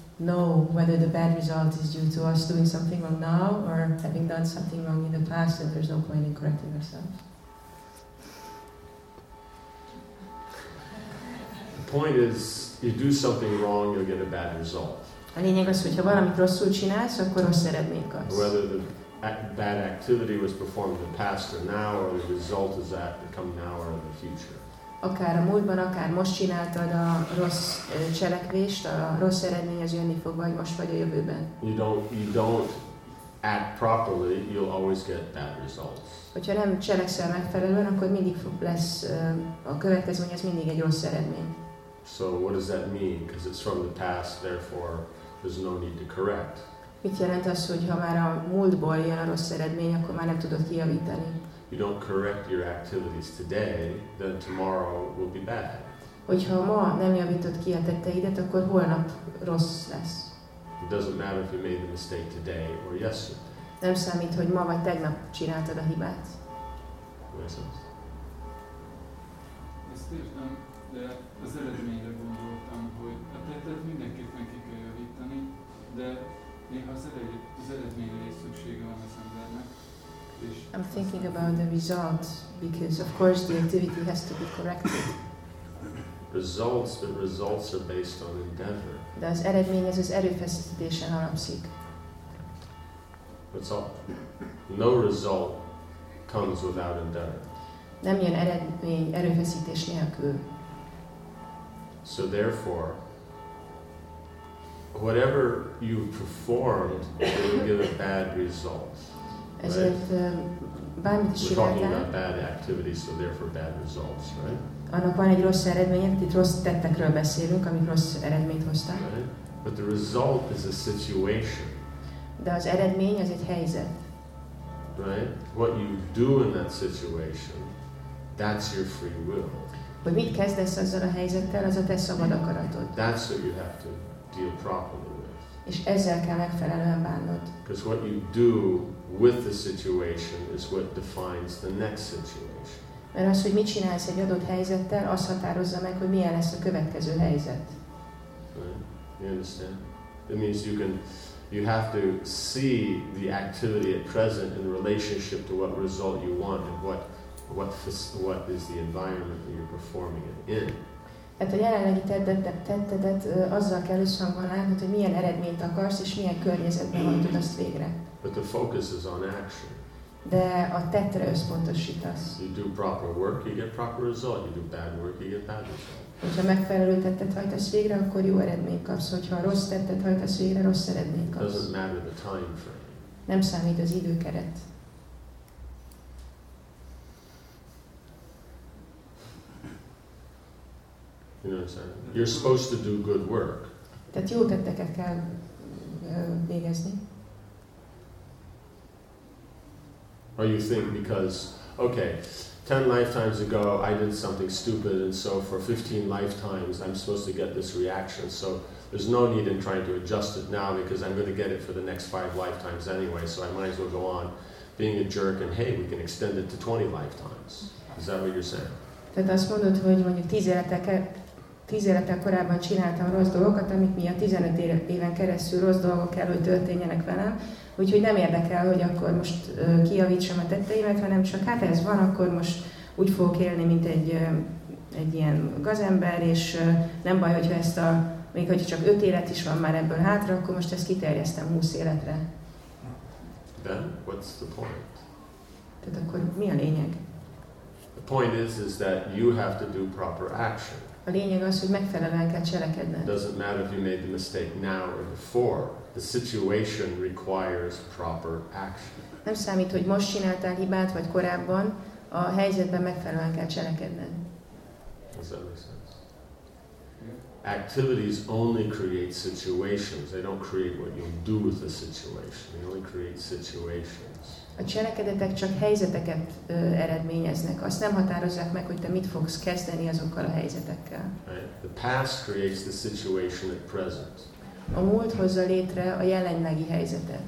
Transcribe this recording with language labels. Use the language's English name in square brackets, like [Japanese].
[English] know whether the bad result is due to us doing something wrong now or having done something wrong in the past, and there's no point in correcting ourselves. The point is, you do something wrong, you'll get a bad result. [Hungarian] A lényeg az, hogyha valamit rosszul csinálsz, akkor rossz eredményt kapsz. [English] Whether the bad activity was performed in the past or now, or the result is that it comes now or in the future. [Hungarian] Akár a múltban, akár most csináltad a rossz cselekvést, a rossz eredmény az jönni fog, vagy most vagy a jövőben. [English] You don't act properly, you'll always get bad results. [Hungarian] Hogyha nem cselekszel megfelelően, akkor mindig lesz a következmény, az mindig egy rossz eredmény. [English] So what does that mean? Because it's from the past, therefore there's no need to correct. [Hungarian] Mit jelent az, hogy ha már a múltból jön a rossz eredmény, akkor már nem tudod kijavítani? [English] You don't correct your activities today, then tomorrow will be bad. [Hungarian] Hogyha ma nem javítod ki a tetteidet, akkor holnap rossz lesz. [English] It doesn't matter if you made the mistake today or yesterday. [Hungarian] Nem számít, hogy ma vagy tegnap csináltad a hibát. [English] Yes, sir. [Hungarian] Ezt értem, de az eredményre gondoltam, hogy a tettet mindenképpen ki kell javítani, de néha az eredményre is szüksége van az embernek. [English] I'm thinking about the result, because of course the activity has to be corrected. Results, but results are based on endeavor. [Hungarian] De az eredmény az erőfeszítésen alapszik. [English] That's all. No result comes without endeavor. [Hungarian] Nem jön eredmény erőfeszítés nélkül. [English] So therefore, whatever you performed, it will give a bad result. [Hungarian] Ezért bármit is csináltál. [English] We're talking about bad activities, so therefore bad results, right? [Hungarian] Annak van egy rossz eredménye, itt rossz tettekről beszélünk, amik rossz eredményt hoztak. [English] Right? But the result is a situation. [Hungarian] De az eredmény az egy helyzet. [English] Right? What you do in that situation, that's your free will. [Hungarian] Hogy mit kezdesz azzal a helyzettel, az a te szabad akaratod. [English] That's what you have to deal properly with. [Hungarian] És ezzel kell megfelelően bánnod. [English] Because what you do with the situation is what defines the next situation. [Hungarian] Mert az, hogy mit csinálsz egy adott helyzettel, az határozza meg, hogy milyen lesz a következő helyzet. [English] Right? You understand? It means you have to see the activity at present in relationship to what result you want and what is the environment that you're performing it in. [Hungarian] Tehát a jelenlegi tettedet azzal kell összhangban látnod, hogy milyen eredményt akarsz, és milyen környezetben hajtod azt végre. [English] But the focus is on action. [Hungarian] De a tettre összpontosítasz. [English] You do proper work, you get proper result. You do bad work, you get bad result. [Hungarian] Hogyha megfelelő tettet hajtasz végre, akkor jó eredményt kapsz. Hogyha rossz tettet hajtasz végre, rossz eredményt kapsz. [English] It doesn't matter the time frame. [Hungarian] Nem számít az időkeret. [English] You know what I'm saying? You're supposed to do good work. [Hungarian] Tehát jó tetteket kell végezni. [English] Or you think because, okay, 10 lifetimes ago I did something stupid and so for 15 lifetimes I'm supposed to get this reaction, so there's no need in trying to adjust it now because I'm going to get it for the next 5 lifetimes anyway, so I might as well go on being a jerk and hey, we can extend it to 20 lifetimes. Is that what you're saying? [Hungarian] Tehát azt mondod, hogy mondjuk 10 élettel korábban csináltam rossz dolgokat, amik miatt 15 éven keresztül rossz dolgok kell, hogy történjenek velem. Úgyhogy nem érdekel, hogy akkor most kijavítsam a tetteimet, hanem csak hát ez van, akkor most úgy fogok élni, mint egy ilyen gazember, és nem baj, hogyha ezt a, még hogyha csak 5 élet is van már ebből hátra, akkor most ezt kiterjesztem 20 életre. [English] Then, what's the point? [Hungarian] Tehát akkor mi a lényeg? [English] The point is that you have to do proper action. [Hungarian] A lényeg az, hogy megfelelően kell cselekedned. [English] Doesn't matter if you made the mistake now or before. The situation requires proper action. [Hungarian] Nem számít, hogy most csináltál hibát vagy korábban, a helyzetben megfelelően kell cselekedned. [English] Does that make sense? Activities only create situations. They don't create what you do with the situation. They only create situations. [Hungarian] A cselekedetek csak helyzeteket eredményeznek. Azt nem határozzák meg, hogy te mit fogsz kezdeni azokkal a helyzetekkel. [English] Right. The past creates the situation at present. [Hungarian] A múlt hozza létre a jelenlegi helyzetet.